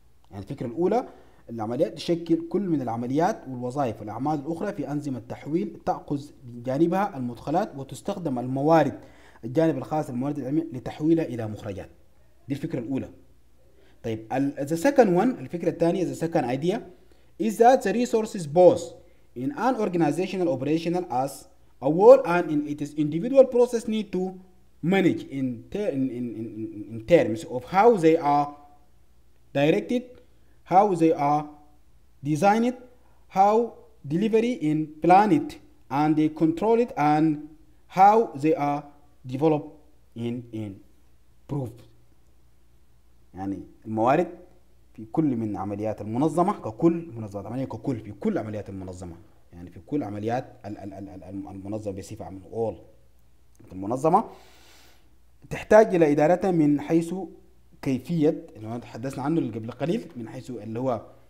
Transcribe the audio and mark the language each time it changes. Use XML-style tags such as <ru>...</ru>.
<ar>يعني الفكرة الأولى، العمليات تشكل كل من العمليات والوظائف والأعمال الأخرى في أنظمة التحويل، تأخذ جانبها المدخلات وتستخدم الموارد، الجانب الخاص الموارد العلمية، لتحويلها إلى مخرجات. دي الفكرة الأولى.</ar> <en>طيب the second one،</en> <ar>الفكرة الثانية،</ar> <en>the second idea is that the resources both in an organizational operational as a whole and in its individual process need to manage in terms of how they are directed, how they are designed, how delivery in planned and they control it, and how they are developed in proof.</en> <ar>يعني الموارد في كل من عمليات المنظمة ككل، منظمة عملية ككل، في كل عمليات المنظمة، يعني في كل عمليات المنظمة بصفة عامة، المنظمة تحتاج إلى إدارتها من حيث كيفية اللي ما تحدثنا عنه قبل قليل، من حيث اللي هو</ar>